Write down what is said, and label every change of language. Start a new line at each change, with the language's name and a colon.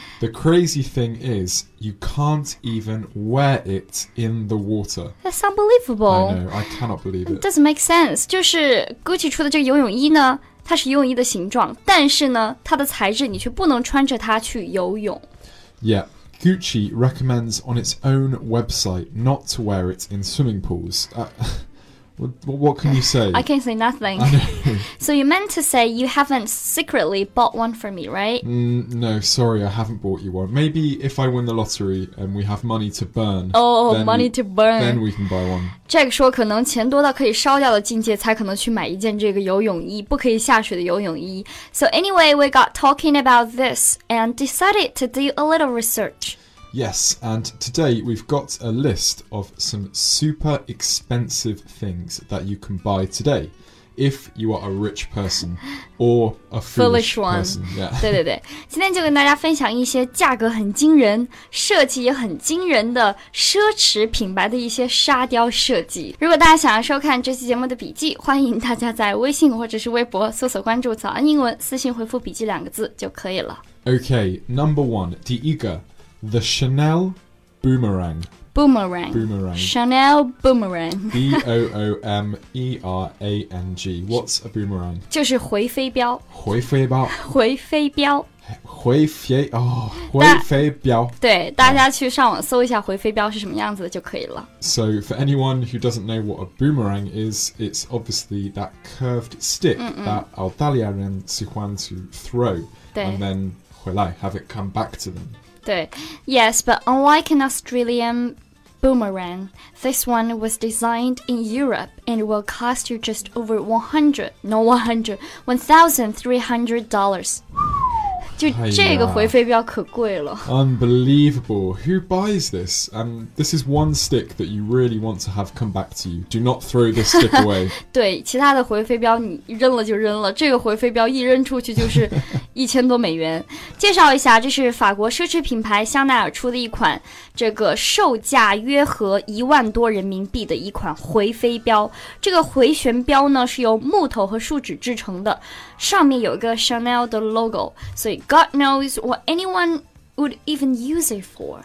English: The crazy thing is, you can't even wear it in the water. That's unbelievable. I know, I cannot believe it. It doesn't make sense.
Chinese: 就是 Gucci 出的这个游泳衣呢，它是游泳衣的形状，但是呢，它的材质你却不能穿着它去游泳。
English: Yeah, Gucci recommends on its own website not to wear it in swimming pools. What can you say? I can't say nothing. So you meant to say you haven't secretly bought one for me, right? No, sorry, I haven't bought you one. Maybe if I win the lottery and we have money to burn. Oh, money to burn. Then we can buy one.
Chinese: Jack 说可能钱多到可以烧掉的境界才可能去买一件这个游泳衣，不可以下水的游泳衣。
English: So anyway, we got talking about this and decided to do a little research. Yes, and today we've got a list of some super expensive things that you can buy today if you are a rich person or a foolish, foolish one. Person. Yeah.
Chinese: 对对对，今天就跟大家分享一些价格很惊人、设计也很惊人的奢侈品牌的一些沙雕设计。如果大家想要收看这期节目的笔记，欢迎大家在微信或者是微博搜索关注“早安英文”，私信回复“笔记”两个字就可以了。
English: Okay, number one,
Chinese: 第一个。
English: The Chanel Boomerang. Boomerang. Boomerang. Chanel Boomerang. B-O-O-M-E-R-A-N-G. What's a boomerang?
Chinese: 就是回飞镖。回飞镖。回飞镖。回飞哦，回飞镖。对，大家去上网搜一下回飞镖是什么样子的就可以了。
English: So for anyone who doesn't know what a boomerang is, it's obviously that curved stick that
Chinese: 澳大利亚人喜欢
English: to throw.
Chinese: 对。
English: And then
Chinese: 回来
English: have it come back to them. 对 yes, but unlike an Australian boomerang, this one was designed in Europe and will cost you just over $1,300.
Chinese: 就这个回飞镖可贵了。
English: Unbelievable. Who buys this? This is one stick that you really want to have come back to you. Do not throw this stick away.
Chinese: 对，其他的回飞镖你扔了就扔了，这个回飞镖一扔出去就是$1,000+。介绍一下，这是法国奢侈品牌香奈儿出的一款，这个售价约合$10,000+的一款回飞镖。这个回旋镖呢是由木头和树脂制成的，上面有一个 Chanel 的 logo， 所以
English: God knows what anyone would even use it for.